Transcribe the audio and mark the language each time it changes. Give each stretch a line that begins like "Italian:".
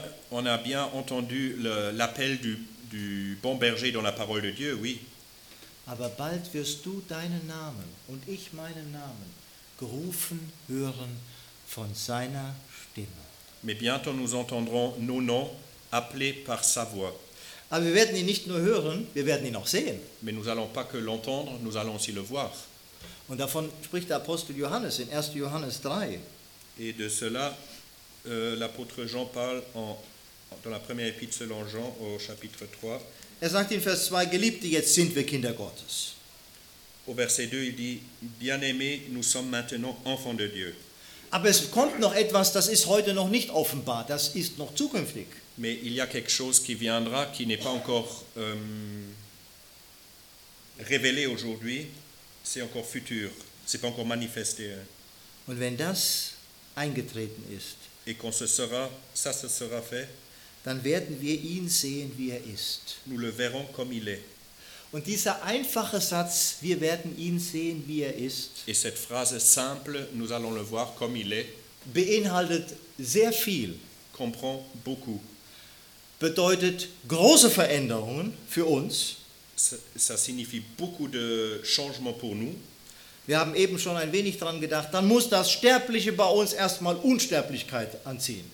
French: On a bien entendu l'appel du bon berger dans la parole de Dieu, oui.
German: Aber bald wirst du deinen Namen und ich meinen Namen gerufen hören von seiner Stimme.
French: Mais bientôt nous entendrons nos noms appelés par sa voix.
German: Aber wir werden ihn nicht nur hören, wir werden ihn auch sehen.
French: Mais nous allons pas que l'entendre, nous allons aussi le voir.
German: Und davon spricht der Apostel Johannes in 1. Johannes 3.
French: Et de cela, l'apôtre Jean parle dans la première épître selon Jean au chapitre 3.
German: Er sagt in Vers 2, Geliebte, jetzt sind wir Kinder Gottes.
French: Au verset 2, il dit, Bien-aimés, nous sommes maintenant enfants de Dieu.
German: Aber es kommt noch etwas, das ist heute noch nicht offenbar, das ist noch zukünftig.
French: Mais il y a quelque chose qui viendra, qui n'est pas encore révélé aujourd'hui, c'est encore futur, c'est pas encore manifesté.
German: Und wenn das eingetreten ist,
French: et quand ce sera fait,
German: dann werden wir ihn sehen, wie er ist.
French: Nous le verrons comme il est.
German: Und dieser einfache Satz, wir werden ihn sehen, wie er ist,
French: et cette phrase simple, nous allons le voir comme il est,
German: beinhaltet sehr viel,
French: comprend beaucoup,
German: bedeutet große Veränderungen für uns.
French: Ça signifie beaucoup de changements pour nous.
German: Wir haben eben schon ein wenig dran gedacht, dann muss das Sterbliche bei uns erstmal Unsterblichkeit anziehen.